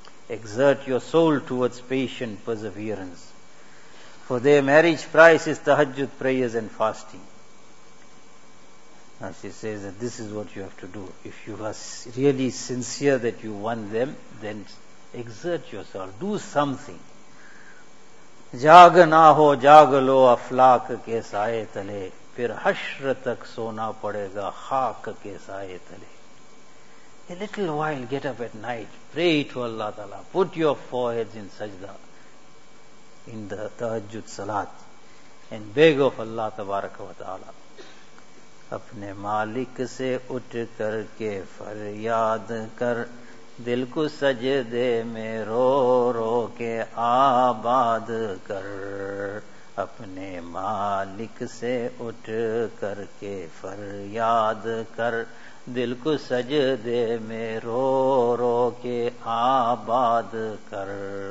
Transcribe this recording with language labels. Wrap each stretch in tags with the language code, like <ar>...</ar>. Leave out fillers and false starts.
<en>Exert your soul towards patient perseverance. For their marriage price is tahajjud prayers and fasting. Now she says that this is what you have to do. If you are really sincere that you want them, then exert yourself, do something.</en> <ur>جاگ نہ ہو جاگ لو افلاک کے سائے تلے پھر حشر تک سونا پڑے گا خاک کے سائے تلے.</ur> <en>A little while, get up at night, pray to Allah Ta'ala, put your foreheads in sajda, in the tahajjud salat, and beg of Allah Tabaraka wa Ta'ala.</en> <ur>اپنے مالک سے اٹھ کر کے فریاد کر دل کو سجدے میں رو رو کے آباد کر. اپنے مالک سے اٹھ کر کے فریاد کر دل کو سجدے میں رو رو کے آباد کر.</ur>